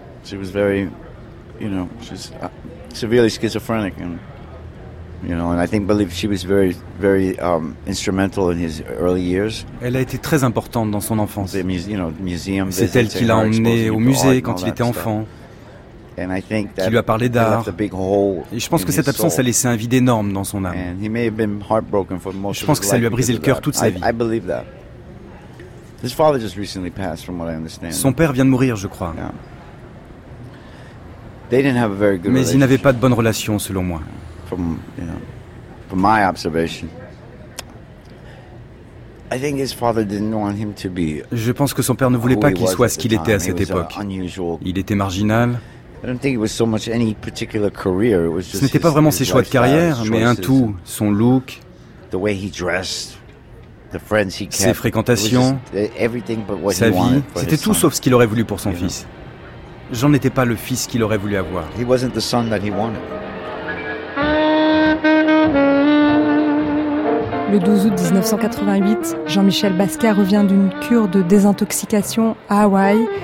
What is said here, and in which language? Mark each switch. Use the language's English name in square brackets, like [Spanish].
[English] She was very, you know, she's severely schizophrenic, and you know, and I think believe she was very, very instrumental in his early years. [French] Elle a été très importante dans son enfance. [English] The you know, museum. [French] C'est elle qui l'a emmené au musée quand il était enfant. [English] And I think that [French] qui lui a parlé d'art. Et je pense que cette absence a laissé un vide énorme dans son âme. [English] And he may have been heartbroken for most. [French] Je pense que ça lui a brisé le cœur toute sa vie. [English] I believe that. His father just recently passed, from what I understand. [French] Son père vient de mourir, je crois. [English] Yeah. They didn't have a very good. [French] Mais ils n'avaient pas de bonne relation, selon moi. [English] From, you know, from my observation, I think his father didn't want him to be. [French] Je pense que son père ne voulait pas qu'il soit ce qu'il était à cette époque. Il était marginal. [English] I don't think it was so much any particular career. It was just. [French] Ce n'était pas vraiment ses choix de carrière, mais un tout, son look, [English] the way he dressed, the friends he kept, [French] ses fréquentations, [English] everything but what [French] sa vie. C'était tout sauf ce qu'il aurait voulu pour son fils. Jean n'était pas le fils qu'il aurait voulu avoir. [English] He wasn't the son that he wanted. [French] Le 12 août 1988, Jean-Michel Basquiat revient d'une cure de désintoxication à Hawaï.